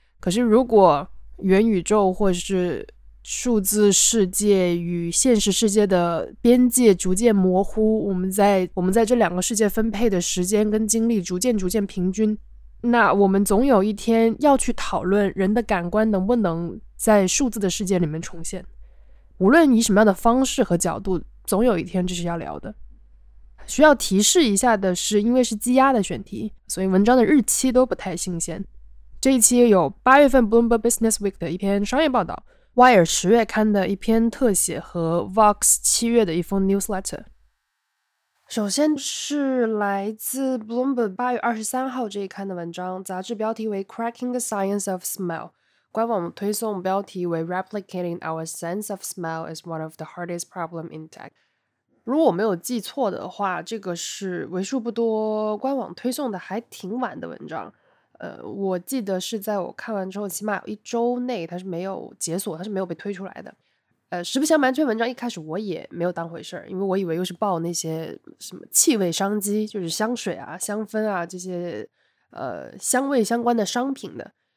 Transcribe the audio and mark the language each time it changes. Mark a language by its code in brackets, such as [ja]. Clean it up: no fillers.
[zh] 可是如果元宇宙或是数字世界与现实世界的边界逐渐模糊，我们在这两个世界分配的时间跟精力逐渐平均，那我们总有一天要去讨论人的感官能不能在数字的世界里面重现，无论以什么样的方式和角度，总有一天这是要聊的。需要提示一下的是，因为是积压的选题，所以文章的日期都不太新鲜。这一期有8月份 Bloomberg Business Week 的一篇商业报道， Wire 十月刊的一篇特写和 Vox 七月的一封 newsletter。首先是来自 Bloomberg 八月二十三号这一刊的文章，杂志标题为 [en] "Cracking the Science of Smell"， [zh] 官网推送标题为 [en] "Replicating our sense of smell is one of the hardest problems in tech"。 [zh] 如果我没有记错的话，这个是为数不多官网推送的还挺晚的文章。我记得是在我看完之后起码有一周内它是没有解锁，它是没有被推出来的。实不相瞒，这篇文章一开始我也没有当回事，因为我以为又是报那些什么气味商机，就是香水啊香氛啊这些香味相关的商品的。